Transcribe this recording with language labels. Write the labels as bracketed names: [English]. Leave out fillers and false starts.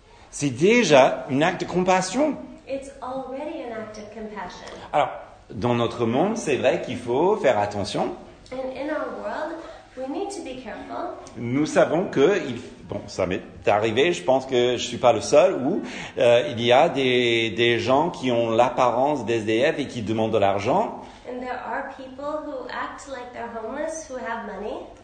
[French] C'est déjà un acte de compassion. [English] It's already an act of compassion. [French] Alors, dans notre monde, c'est vrai qu'il faut faire attention. [English] And in our world, we need to be careful. [French] Nous savons que, ça m'est arrivé, je pense que je ne suis pas le seul, où il y a des gens qui ont l'apparence d'SDF et qui demandent de l'argent. [English] And there are people who act like they're homeless, who have money.